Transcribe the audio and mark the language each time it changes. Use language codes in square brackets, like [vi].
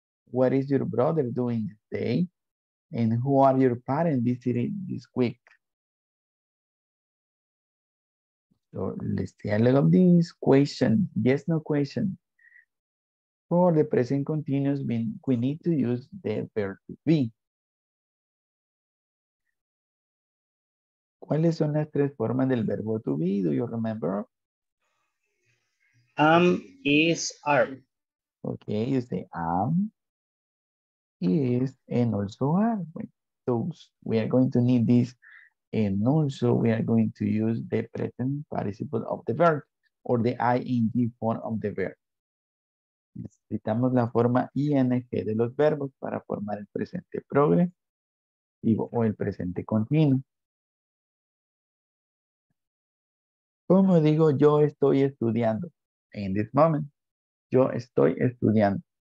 [en] What is your brother doing today? And who are your parents visiting this week? So let's see a look of this question. Yes, no question. For the present continuous, we need to use the verb to be. [es] ¿Cuáles son las tres formas del verbo to be? [en] Do you remember? Is, are. Okay, you say am, is, and also are. So we are going to need these And also we are going to use the present participle of the verb or the ing form of the verb. [es] Necesitamos la forma ing de los verbos para formar el presente progresivo o el presente continuo. Como digo, yo estoy estudiando. [en] In this moment, [es] yo estoy estudiando.